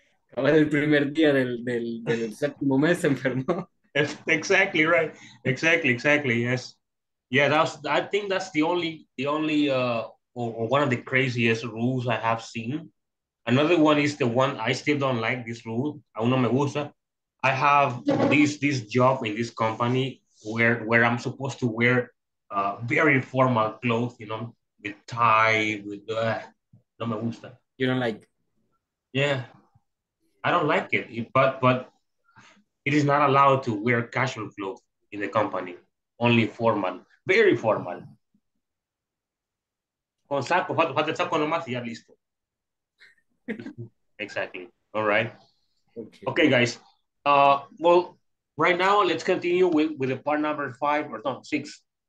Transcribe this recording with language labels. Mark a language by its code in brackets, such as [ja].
[es] Acaba el primer día del séptimo mes, se enfermó. [en] Exactly right. Exactly. Yes. Yeah, I think that's the only or one of the craziest rules I have seen. Another one is the one I still don't like, this rule. [es] Aún no me gusta. [en] I have this job in this company where I'm supposed to wear very formal clothes, you know, with tie, with [es] no me gusta. [en] You don't like? Yeah. I don't like it, but it is not allowed to wear casual clothes in the company. Only formal, very formal. [es] Con saco, falta el saco nomás y ya listo. [en] Exactly. All right. Okay, guys. Well, right now let's continue with the part number five or no, six.